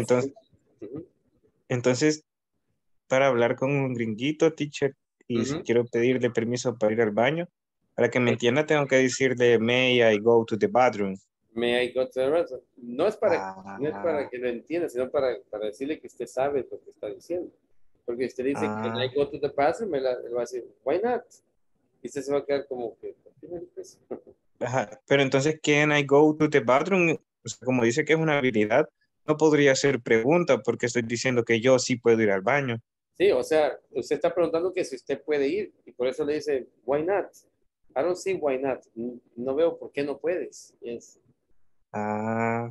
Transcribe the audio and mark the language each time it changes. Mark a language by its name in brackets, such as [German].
[Spanish] entonces, entonces, para hablar con un gringuito, teacher, y si quiero pedirle permiso para ir al baño, para que me entienda, tengo que decirle, [English] may I go to the bathroom. May I go to the restroom? [Spanish] No es para, no es para que lo entienda, sino para decirle que usted sabe lo que está diciendo. Porque usted dice, [English] can I go to the bathroom? [Spanish] Él va a decir, [English] why not? [Spanish] Y usted se va a quedar como que... Ajá. Pero entonces, [English] can I go to the bathroom? [Spanish] O sea, como dice que es una habilidad, no podría ser pregunta porque estoy diciendo que yo sí puedo ir al baño. Sí, o sea, usted está preguntando que si usted puede ir y por eso le dice, [English] why not? I don't see why not. [Spanish] No veo por qué no puedes. Yes. Ah.